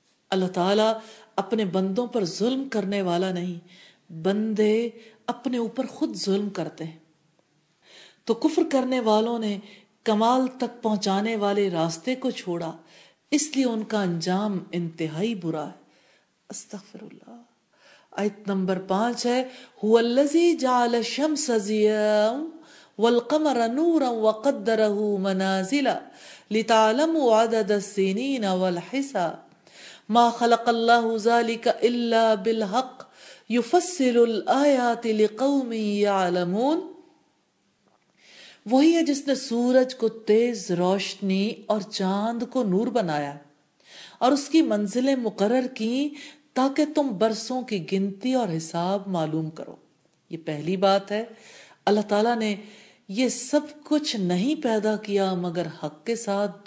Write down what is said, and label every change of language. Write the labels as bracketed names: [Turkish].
[Urdu] اللہ تعالیٰ اپنے بندوں پر ظلم کرنے والا نہیں، بندے اپنے اوپر خود ظلم کرتے ہیں. تو کفر کرنے والوں نے کمال تک پہنچانے والے راستے کو چھوڑا، اس لیے ان کا انجام انتہائی برا ہے. [Arabic] استغفر اللہ. [Urdu] آیت نمبر 5 ہے، [Arabic] هو الذی جعل الشمس ضیاء والقمر نورا وقدره منازل لتعلموا عدد السنین والحساب ما خلق اللہ ذالک الا بالحق یفصل الآیات لقوم یعلمون. [Urdu] وہی ہے جس نے سورج کو تیز روشنی اور چاند کو نور بنایا اور اس کی منزلیں مقرر کیں تاکہ تم برسوں کی گنتی اور حساب معلوم کرو. یہ پہلی بات ہے، اللہ تعالیٰ نے یہ سب کچھ نہیں پیدا کیا مگر حق کے ساتھ.